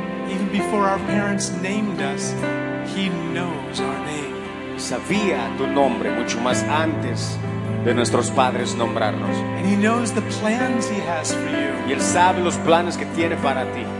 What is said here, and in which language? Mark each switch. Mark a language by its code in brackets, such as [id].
[en] Even before our parents named us, he knows our name. [es] Sabía tu nombre mucho más antes de nuestros padres nombrarnos. [en] And he knows the plans he has for you. [es] Y él sabe los planes que tiene para ti.